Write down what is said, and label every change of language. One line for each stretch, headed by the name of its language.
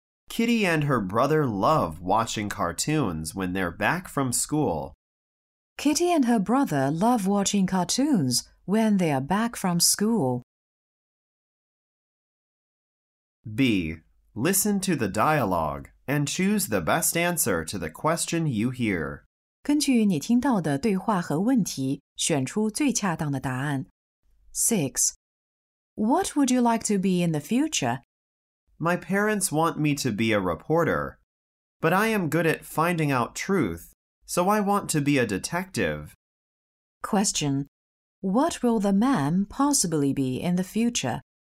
English: Kitty and her brother love watching cartoons when they're back from school. Kitty and her brother love watching cartoons when they are back from school. B. Listen to the dialogue and choose the best answer to the question you hear.
Chinese: 根据你听到的对话和问题，选出最恰当的答案。
English: 6. What would you like to be in the future? My parents want me to be a reporter, but I am good at finding out truth, so I want to be a detective. Question. What will the man possibly be in the future?